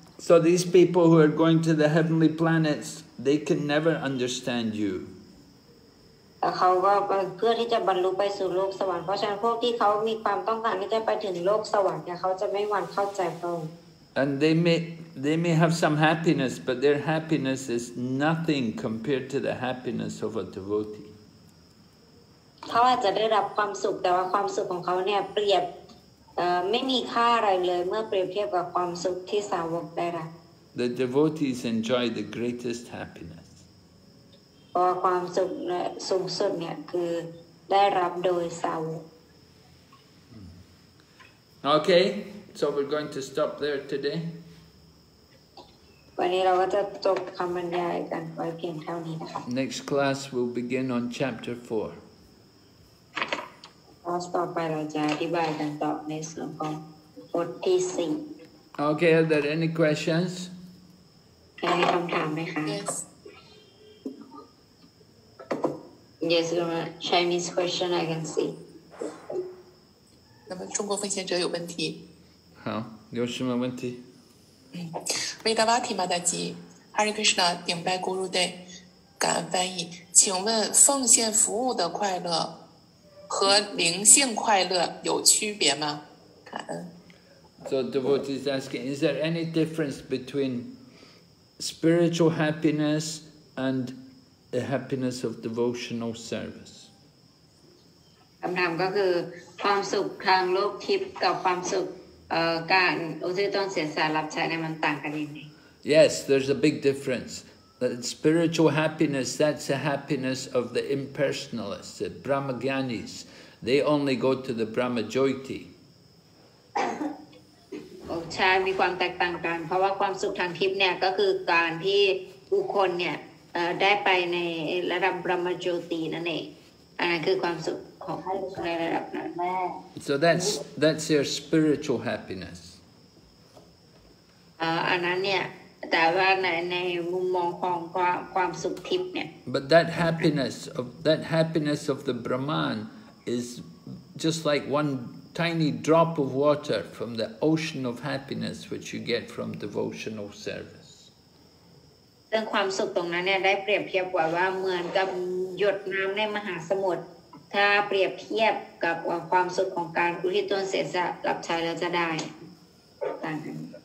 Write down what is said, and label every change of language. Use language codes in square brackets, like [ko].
[en] So these people who are going to the heavenly planets they can never understand you [th] เขาก็เพื่อที่จะบรรลุไปสู่โลกสวรรค์เพราะฉะนั้นพวกที่เขามีความต้องการที่จะไปถึงโลกสวรรค์เนี่ยเขาจะไม่หวั่นเข้าใจพระองค์ [en] And they may have some happiness but their happiness is nothing compared to the happiness of a devotee [th] เขาอาจจะได้รับความสุขแต่ว่าความสุขของเขาเนี่ยเปรียบไม่มีค่าอะไรเลยเมื่อเปรียบเทียบกับความสุขที่สาวกได้รับ [en] The devotees enjoy the greatest happiness [th] เพราะความสุขสูงสุดเนี่ยคือได้รับโดยสาวก [en] Okay, so we're going to stop there today. [th] วันนี้เราก็จะจบคำบรรยายกันไว้เพียงเท่านี้นะคะ [en] Next class will begin on chapter 4. [th] คลาสต่อไปเราจะอธิบายกันต่อในส่วนของบทที่4 [en] Okay, are there any questions? [th] มีคำถามไหมคะ [en] Yes. Yes, from a Chinese question, I can see. [zh] 那么中国奉献者有问题。好，有什么问题？ Vidavati Madaji, Hare Krishna, 顶拜 Guru Day, 感恩翻译。请问奉献服务的快乐和灵性快乐有区别吗？感恩。 [en] So devotee is asking, is there any difference between spiritual happiness and? The happiness of devotional service. [th] คำถามก็คือความสุขทางโลกทิพย์กับความสุขการอุทิศตนเสียสละรับใช้เนี่ยมันต่างกันยังไง [en] Yes, there's a big difference. That spiritual happiness, that's the happiness of the impersonalists, the Brahmagyanis. They only go to the Brahmajyoti. [th] โอ้ใช่มีความแตกต่างกันเพราะว่าความสุขทางทิพย์เนี่ยก็คือการที่บุคคลเนี่ยได้ไปในระดับบรมโจตีนั่นเองอันนั้นคือความสุขของท่านในระดับนั้นแ [en] ม่ So that's your spiritual happiness [th] อันนั้นเนี่ยแต่ว่าในมุมมองของความสุขทิพย์เนี่ย [en] But that happiness of the Brahman is just like one tiny drop of water from the ocean of happiness which you get from devotional service. [th] เรื่องความสุขตรงนั้นเนี่ยได้เปรียบเทียบว่าเหมือนกับหยดน้ำในมหาสมุทรถ้าเปรียบเทียบกับความสุขของการอุทิศตนเสียสละรับใช้แล้วจะได้ต่างกัน